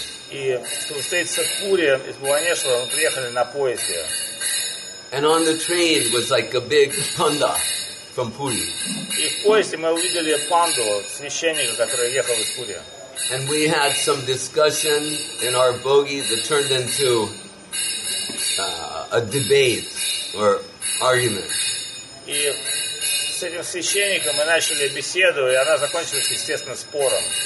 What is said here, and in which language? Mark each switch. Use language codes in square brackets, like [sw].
[ru] И чтобы встретиться в Пури из Бхубанешвара, мы приехали на поезде. [en] And on the train was like a big panda from Puri. [ru] И в поезде мы увидели панду, священника, который ехал из Пури. [en] And we had some discussion in our bogey that turned into a debate or argument. [ru] И с этим священником мы начали беседу, и она закончилась, естественно, спором.